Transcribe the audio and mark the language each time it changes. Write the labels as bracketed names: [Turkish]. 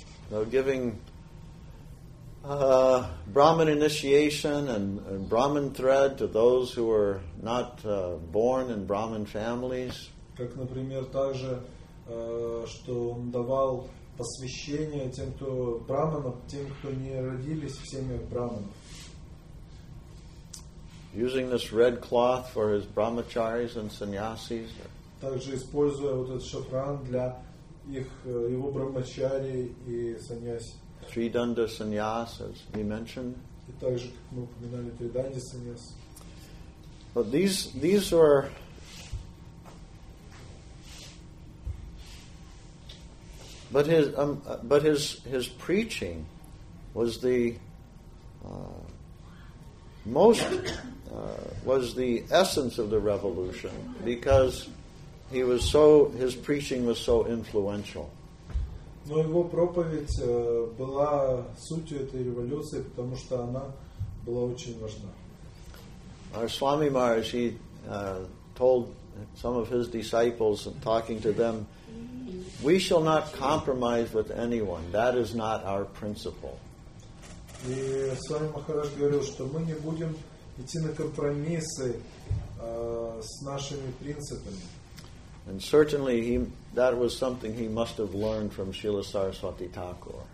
[English] Now giving Brahmin initiation and Brahmin thread to those who were not born in Brahmin families. [Russian] Как, например, также, что он давал посвящение тем, кто браманов, тем, кто не родились в семьях браманов. [English] Using this red cloth for his brahmacharis and sannyasis. [Russian] Также используя вот этот шафран для их его брахмачари и саньяси. [English] Tridanda sannyas, as he mentioned. [Russian] И также, как мы упоминали, триданди саньяс. [English] But these were But his preaching was the most was the essence of the revolution, because he was so his preaching was so influential. [Russian] Но его проповедь была сутью этой революции, потому что она была очень важна. [English] Our Swami Maharaj, he told some of his disciples, talking to them, we shall not compromise with anyone. That is not our principle. [Russian] И Свами Махарадж говорил, что мы не будем идти на компромиссы с нашими принципами. [English] And certainly that was something he must have learned from Srila Saraswati Thakur.